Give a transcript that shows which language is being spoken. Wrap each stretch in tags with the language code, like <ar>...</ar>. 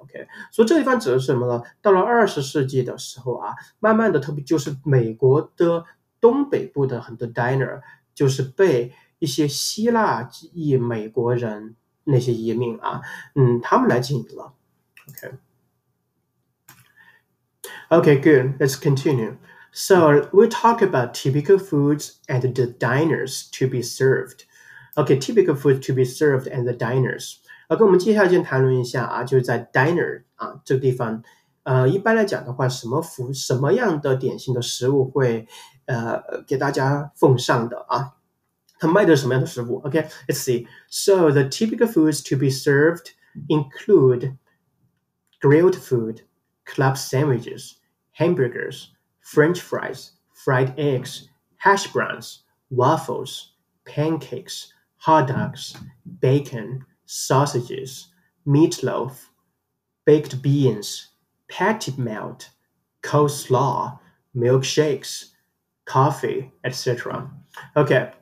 <zh>OK, 所以这地方指的是什么呢？到了二十世纪的时候啊，慢慢的特别就是美国的东北部的很多 diner 就是被一些希腊裔美国人那些移民啊，他们来经营了。</zh> <en>Okay, good, let's continue. So we talk about typical foods and the diners to be served. Okay, typical foods to be served and the diners.</en> <zh>Okay, 我们接下来先谈论一下啊，就是在 diner 啊这个地方，一般来讲的话，什么样的点心的食物会给大家奉上的啊？他卖的什么样的食物？</zh> <en>OK, let's see. So the typical foods to be served include grilled food, club sandwiches, hamburgers, french fries, fried eggs, hash browns, waffles, pancakes, hot dogs, bacon, sausages, meatloaf, baked beans, patty melt, coleslaw, milkshakes, coffee, etc. OK.</en>